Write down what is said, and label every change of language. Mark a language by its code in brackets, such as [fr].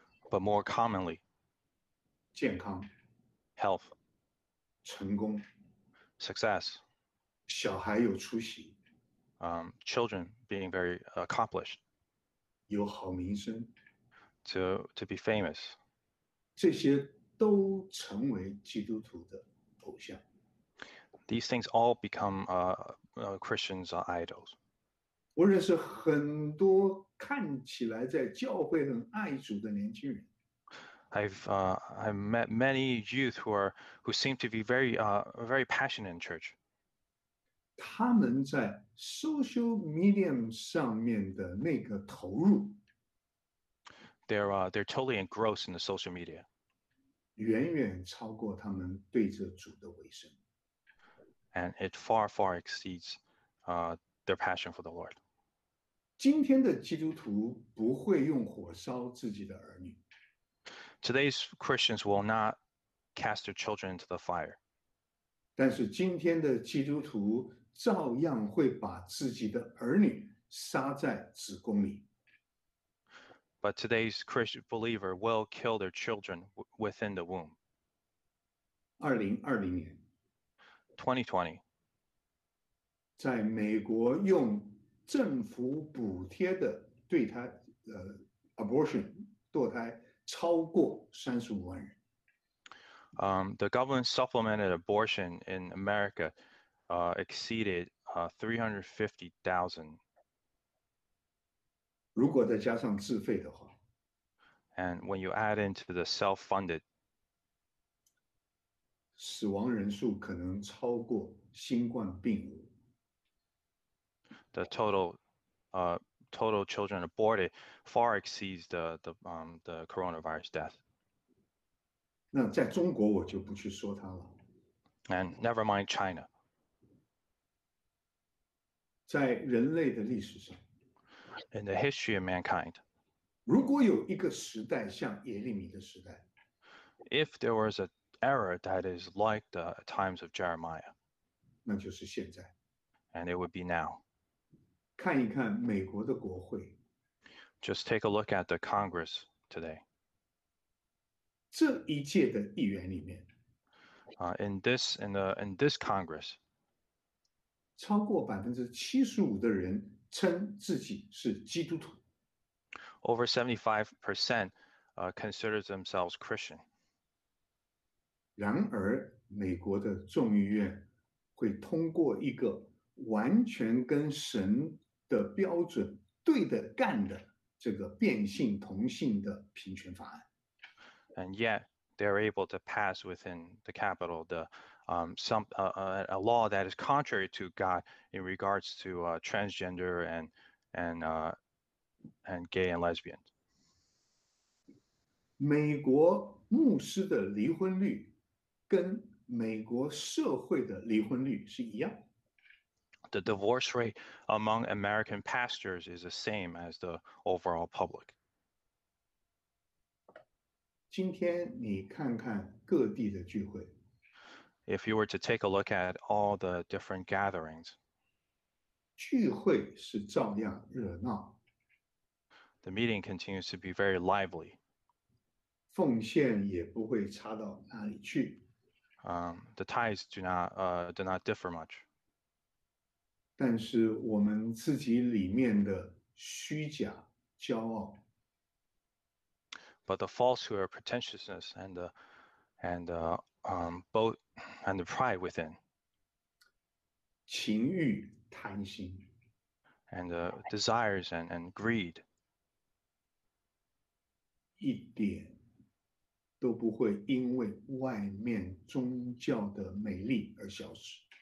[en] but more commonly [zh] 健康 [en] health [zh] 成功 [en] success [zh] 小孩有出息 [en] children being very accomplished [zh] 有好名声 [en] to be famous [zh] 这些都成为基督徒的偶像 [en] These things all become Christians' idols. [zh] 我认识很多看起来在教会很爱主的年轻人。 [en] I've met many youth who seem to be very passionate in church. [zh] 他们在 [en] social media [zh] 上面的那个投入。 [en] They're totally engrossed in the social media. [zh] 远远超过他们对着主的委身。 [en] And it far, far exceeds their passion for the Lord. [zh] 今天的基督徒不会用火烧自己的儿女。 [en] Today's Christians will not cast their children into the fire. [zh] 但是今天的基督徒照样会把自己的儿女杀在子宫里。 [en] But today's Christian believer will kill their children within the womb. [zh] 2020年。 [en] 2020 [zh] 在美国用政府补贴的对胎abortion 堕胎超过35万人。 [en] The government supplemented abortion in America exceeded 350,000. [zh] 如果再加上自费的话 [en] ，and when you add into the self-funded。 [zh] 死亡人数可能超过新冠病毒。 [en] The total children aborted far exceeds the coronavirus death. [zh] 那在中国我就不去说它了。 [en] And never mind China. [zh] 在人类的历史上。 [en] In the history of mankind. [zh] 如果有一个时代像耶利米的时代。 [en] If there was an era that is like the times of Jeremiah. [zh] 那就是现在。 [en] And it would be now. [zh] 看一看美国的国会。 [en] Just take a look at the Congress today. [zh] 这一届的议员里面。 [en] In this Congress. [zh] 超过75%的人称自己是基督徒。 [en] Over 75% considers themselves Christian. [zh] 然而，美国的众议院会通过一个完全跟神的标准对得干的这个变性同性的平权法案。 [en] And yet, they're able to pass within the Capitol a law that is contrary to God in regards to transgender and gay and lesbian. [zh] 美国牧师的离婚率。跟美国社会的离婚率是一样。 [en] The divorce rate among American pastors is the same as the overall public. [zh] 今天你看看各地的聚会。 [en] If you were to take a look at all the different gatherings, [zh] 聚会是照样热闹。 [en] The meeting continues to be very lively. [zh] 奉献也不会差到哪里去。 [en] The tithes do not differ much. [zh] 但是我们自己里面的虚假骄傲。 [en] But the falsehood or pretentiousness and the pride within. [zh] 情欲贪心。 [en] And the desires and greed. [zh] 一点。都不会因为外面宗教的美丽而消失。